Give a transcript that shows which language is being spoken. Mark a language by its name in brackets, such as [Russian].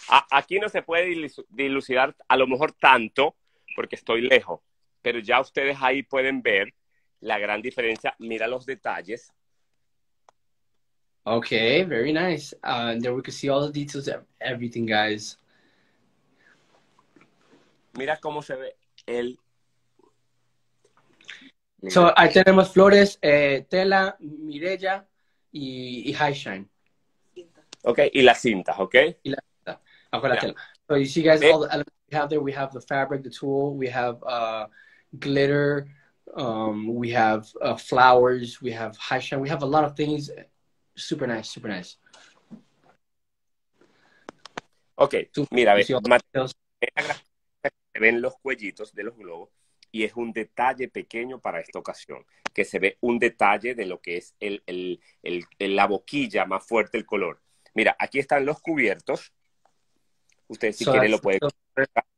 [Spanish] Aquí no se puede dilucidar a lo mejor tanto porque estoy lejos, pero ya ustedes ahí pueden ver la gran diferencia. Mira los detalles. [English] Okay, very nice. And there we can see all the details of everything, guys. [Spanish] Mira cómo se ve el. So, ahí tenemos flores, tela, Mireya y High Shine. Ok, y las cintas, ok. Y la cinta. Ajo la tela. [English] So, you see, guys, all the elements we have there. We have the fabric, the tulle, we have glitter, we have flowers, we have High Shine. We have a lot of things. Super nice, super nice. [Spanish] Ok, mira, a ver, Mateo, se ven los cuellitos de los globos. Y es un detalle pequeño para esta ocasión, que se ve un detalle de lo que es la boquilla más fuerte, el color. Mira, aquí están los cubiertos. Ustedes, si quieren, lo pueden ver.